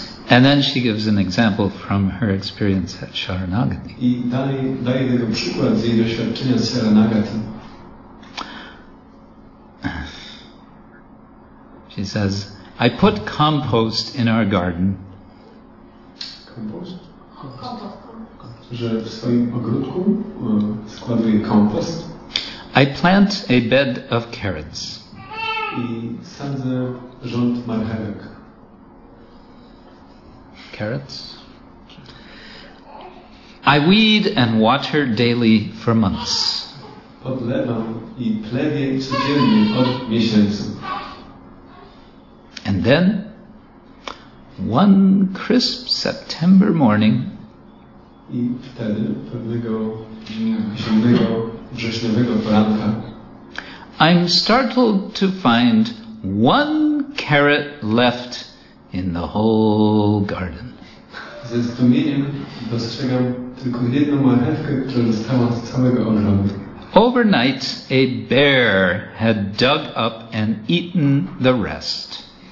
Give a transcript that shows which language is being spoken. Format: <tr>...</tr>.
<en>And then she gives an example from her experience at Sharanagati. She says, I put compost in our garden. Compost?</en> <pl>Że w swoim ogródku składuję kompost.</pl> <en>I plant a bed of carrots.</en> <pl>I sadzę rząd marchewek.</pl> <en>Carrots. I weed and water daily for months.</en> <pl>Podlewam i plewię codziennie od miesięcy.</pl> <en>And then, one crisp September morning.</en> <pl>I wtedy pewnego zimnego wrześniowego poranka.</pl> <en>I'm startled to find one carrot left in the whole garden.</en> <pl>Ze zdumieniem dostrzegam tylko jedną marchewkę, która została z całego ogrodu.</pl> <en>Overnight a bear had dug up and eaten the rest.</en>